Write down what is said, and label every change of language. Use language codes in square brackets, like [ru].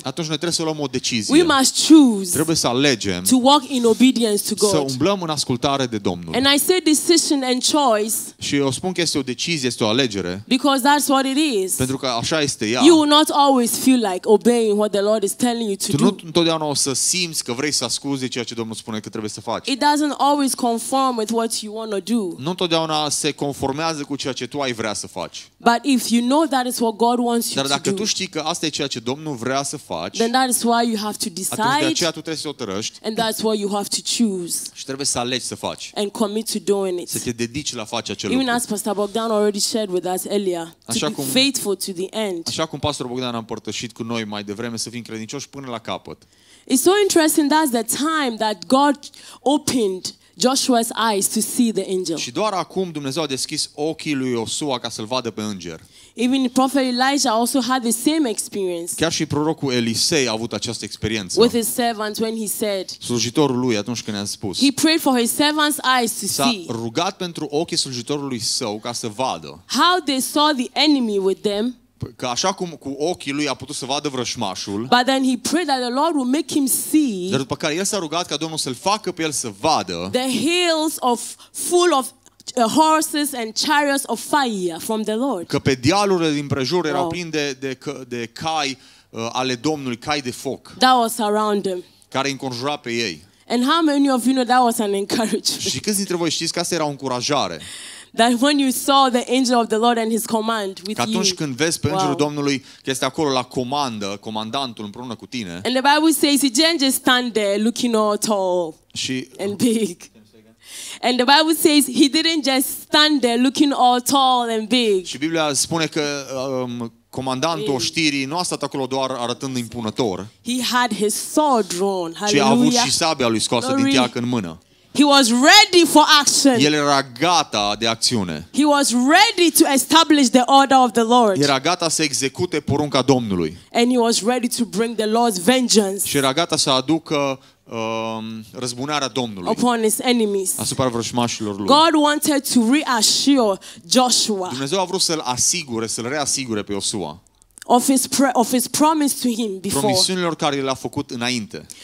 [ro] Atunci noi trebuie să luăm o decizie. [en] We must choose. [ro] Trebuie să alegem. [en] To walk in obedience to God. [ro] Să umblăm în ascultare de Domnul. [en] And I say decision and choice. [ro] Și eu spun că este o decizie, este o alegere. [en] Because that's what it is. [ro] Pentru că așa este ea. [en] You will not always feel like obeying what the Lord is telling you to do. [ro] Tu nu întotdeauna o să simți că vrei să asculți ceea ce Domnul spune că trebuie să faci. [en] It doesn't always conform with what you want to do. [ro] Nu întotdeauna se conformează cu ceea ce tu ai vrea să faci. [en] But if you know that is what God wants you to do. [ro] Dar dacă tu știi că asta e ceea ce Domnul vrea să faci. [en] Then that is why you have to decide. [ro] Atunci de aceea tu trebuie să o hotărăști. [en] And that's why you have to choose. [ro] Și trebuie să alegi să faci. [en] And commit to doing it. [ro] Să te dedici la face acel lucru. [en] Even as Pastor Bogdan already shared with us earlier. [ro] Așa cum, [en] to be faithful to the end. [ro] Așa cum Pastor Bogdan a împărtășit cu noi mai devreme, să fim credincioși până la capăt. [en] It's so interesting, that's the time that God opened Joshua's eyes to see the angel. [ro] Și doar acum Dumnezeu a deschis ochii lui Iosua ca să-l vadă pe înger. [en] Even prophet Elijah also had the same experience. [ro] Chiar și prorocul Elisei a avut această experiență. [en] With his servant when he said. [ro] Slujitorul lui atunci când i-a spus. [en] He prayed for his servant's eyes to see. [ro] S-a rugat pentru ochii slujitorului său ca să vadă. [en] How they saw the enemy with them. [ro] Că așa cum cu ochii lui a putut să vadă vrășmașul. [en] But then he prayed that the Lord will make him see. [ro] Dar după care el s-a rugat ca Domnul să-l facă pe el să vadă. [en] The hills of full of horses and chariots of fire from the Lord. [ro] Că pe dealurile din prejur erau plini de cai ale Domnului, cai de foc. [en] That was around them. [ro] Care înconjura pe ei. [en] And how many of you know that was an encouragement? [ro] Și câți dintre voi știți că asta era o încurajare? [en] That when you saw the angel of the Lord and his command with you. [ro] Atunci când vezi pe îngerul Domnului că este acolo la comandă, comandantul împreună cu tine. [en] And the Bible says he didn't just stand there looking all tall and big. And the Bible says he didn't just stand there looking all tall and big. [ro] Și Biblia spune că comandantul oștirii nu a stat acolo doar arătând impunător. [en] He had his sword drawn. [ro] Și a avut și sabia lui scoasă din teacă în mână. [en] He was ready for action. [ro] El era gata de acțiune. [en] He was ready to establish the order of the Lord. [ro] Era gata să execute porunca Domnului. [en] And he was ready to bring the Lord's vengeance. [ro] Și era gata să aducă răzbunarea Domnului. [en] Upon his enemies. [ro] Asupra vrășmașilor lui. [en] God wanted to reassure Joshua. [ro] Dumnezeu a vrut să-l asigure, să-l reasigure pe Iosua. [en] Of his promise to him before. [ro] Promisiunilor care le-a făcut înainte.